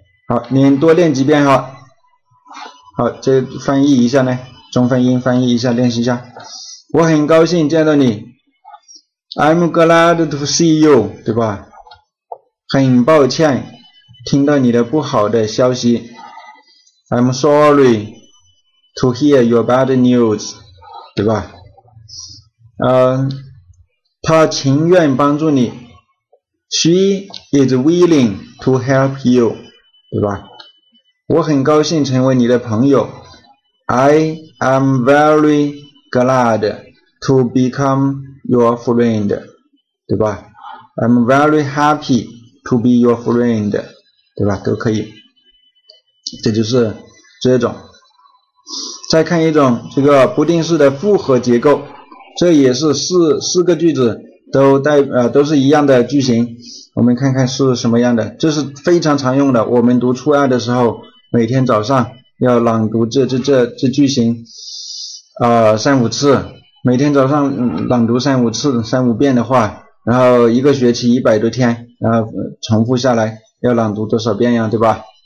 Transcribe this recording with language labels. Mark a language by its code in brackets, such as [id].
[zh] 好，您多练几遍哈。好，这翻译一下呢，中分音翻译一下，练习一下。我很高兴见到你。 [en] I'm glad to see you， [zh] 对吧？很抱歉听到你的不好的消息。 [en] I'm sorry to hear your bad news， [zh] 对吧？他情愿帮助你。 [en] She is willing to help you， [zh] 对吧？我很高兴成为你的朋友。 [en] I am very glad to become your friend， [zh] 对吧？ [en] I'm very happy to be your friend， [zh] 对吧？都可以。这就是这种。再看一种，这个不定式的复合结构，这也是四个句子都带都是一样的句型。我们看看是什么样的，这是非常常用的，我们读初二的时候每天早上要朗读这句型三五次，每天早上朗读三五次，三五遍的话，然后一个学期100多天，然后重复下来要朗读多少遍呀，对吧？